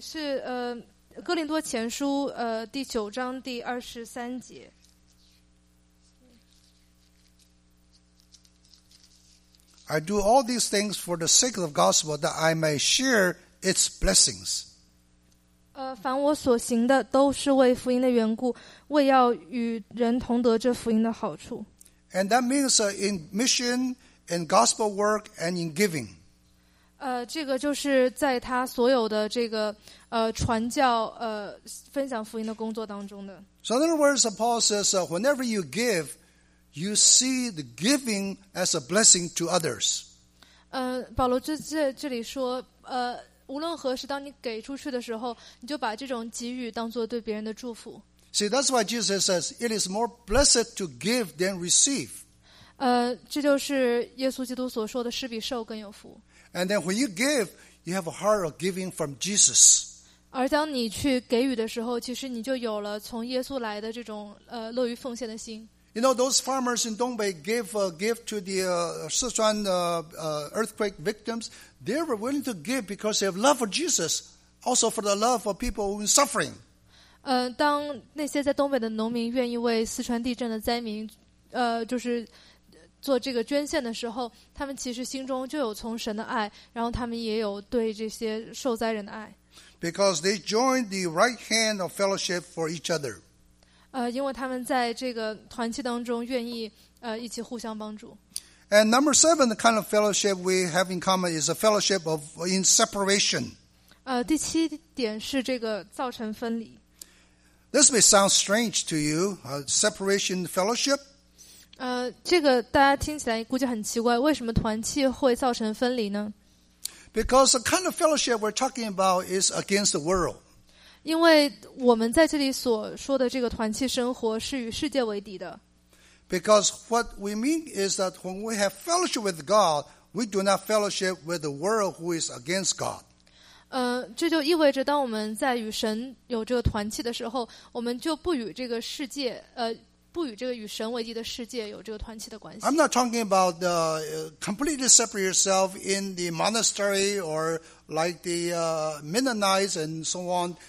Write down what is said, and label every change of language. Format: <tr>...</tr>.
<zh>是哥林多前书第九章第二十三节。</zh> <en>I do all these things for the sake of the gospel, that I may share its blessings.</en> <zh>凡我所行的都是为福音的缘故，为要与人同得这福音的好处。</zh> <en>And that means in mission, in gospel work, and in giving.</en> <zh>这个就是在他所有的这个传教分享福音的工作当中的。</zh> <en>So in other words, Paul says, whenever you give, you see the giving as a blessing to others.</en> <zh>保罗这里说无论何时，当你给出去的时候，你就把这种给予当作对别人的祝福。</zh> <en>See, that's why Jesus says it is more blessed to give than receive.</en> <zh>这就是耶稣基督所说的，施比受更有福。</zh> <en>And then when you give, you have a heart of giving from Jesus.</en> <zh>而当你去给予的时候，其实你就有了从耶稣来的这种乐于奉献的心。</zh> <en>You know, those farmers in Dongbei gave a gift to the Sichuan earthquake victims. They were willing to give because they have love for Jesus, also for the love of people who are suffering.</en> <zh>当那些在东北的农民愿意为四川地震的灾民就是做这个捐献的时候，他们其实心中就有从神的爱，然后他们也有对这些受灾人的爱。</zh> <en>Because they joined the right hand of fellowship for each other.</en> <zh>因为他们在这个团契当中愿意一起互相帮助。</zh> <en>And number seven, the kind of fellowship we have in common is a fellowship of in separation.</en> <zh>第七点是这个造成分离。</zh> <en>This may sound strange to you, separation fellowship.</en> <zh>这个大家听起来估计很奇怪，为什么团契会造成分离呢？</zh> <en>Because the kind of fellowship we're talking about is against the world.</en> <zh>因为我们在这里所说的这个团契生活是与世界为敌的。</zh> <en>Because what we mean is that when we have fellowship with God, we do not fellowship with the world who is against God.</en> <zh>这就意味着当我们在与神有这个团契的时候，我们就不与这个世界不与这个与神为敌的世界有这个团契的关系。</zh> <en>I'm not talking about the completely separate yourself in the monastery or like the Mennonites and so on.</en>